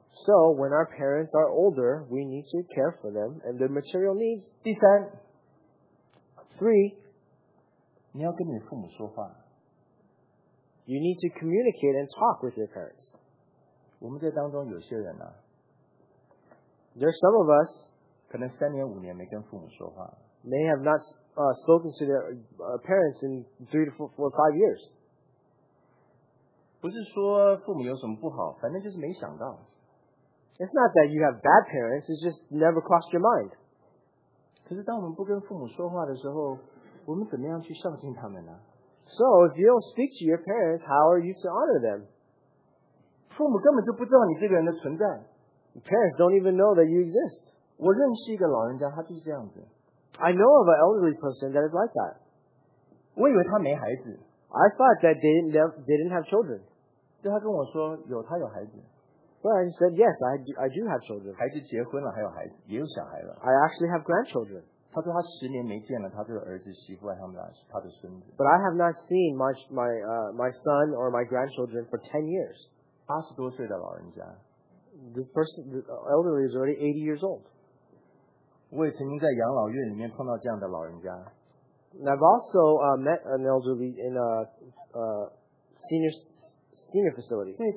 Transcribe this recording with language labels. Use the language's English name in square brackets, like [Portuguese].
[English] So when our parents are older, we need to care for them and their material needs. [Chinese] 第三, [English] three. [Chinese] 你要跟你父母说话。 [English] You need to communicate and talk with your parents. [Chinese] 我们在当中有些人啊, [English] there are some of us [Chinese] 可能三年五年没跟父母说话。 [English] May have not spoken to their parents in 3 to 4 or 5 years. [Chinese] 不是说父母有什么不好，反正就是没想到。 [English] It's not that you have bad parents, it's just never crossed your mind. [Chinese] 可是当我们不跟父母说话的时候， 我们怎么样去孝敬他们呢？ [English] So if you don't speak to your parents, how are you to honor them? [Chinese] 父母根本就不知道你这个人的存在。 [English] Parents don't even know that you exist. [Chinese] 我认识一个老人家，他就是这样子。 [English] I know of an elderly person that is like that. [Chinese] 我以为他没孩子。 [English] I thought that they didn't have children. [Chinese] 对他跟我说，有，他有孩子。 [English] Well, I said, yes, I do have children. [Chinese] 孩子结婚了, 还有孩子, 也有小孩了, [English] I actually have grandchildren. [Chinese] 他说他十年没见了他的儿子媳妇和他们俩他的孙子。 [English] But I have not seen my son or my grandchildren for 10 years. [Chinese] 80多岁的老人家, [English] this person, the elderly, is already 80 years old. [Chinese] 我也曾经在养老院里面碰到这样的老人家。 [English] I've also met an elderly in a senior facility.